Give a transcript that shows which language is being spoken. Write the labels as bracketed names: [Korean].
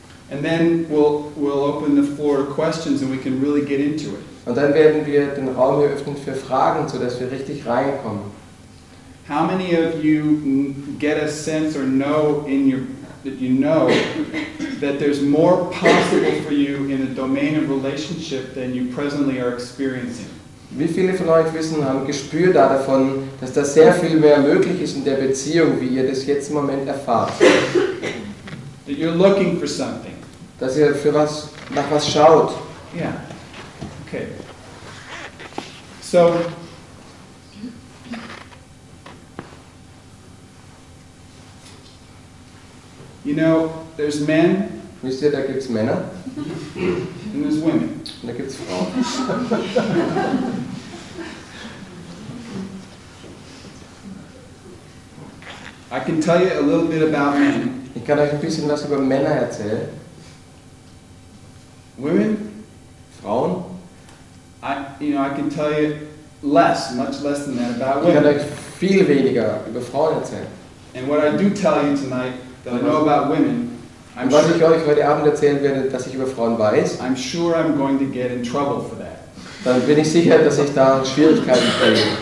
[English] And then we'll open the floor to questions and we can really get into it. [German] Und dann werden wir den Raum hier öffnen für Fragen, sodass wir richtig reinkommen. [English] How many of you get a sense or know in your that you know that there's more possible for you in the domain of relationship than you presently are experiencing? [German] Wie viele von euch wissen, haben Gespür davon, dass da sehr viel mehr möglich ist in der Beziehung, wie ihr das jetzt im Moment erfahrt? [English] That you're looking for something. [German] Dass ihr für was, nach was schaut. [English] Yeah. Okay. So, you know, there's men. [German] Wisst ihr, da gibt's Männer. [English] And there's women. [German] Und da gibt's Frauen. [English] I can tell you a little bit about men. [German] Ich kann euch ein bisschen was über Männer erzählen. [English] Women. [German] Frauen. [English] I can tell you less, much less than that about women. [German] Ich kann euch viel weniger über Frauen erzählen. [English] And what I do tell you tonight. That I know about women. [German] Und was ich euch heute Abend erzählen werde, dass ich über Frauen weiß. [English] I'm sure I'm going to get in trouble for that. [German] Dann bin ich sicher, dass ich da Schwierigkeiten kriege.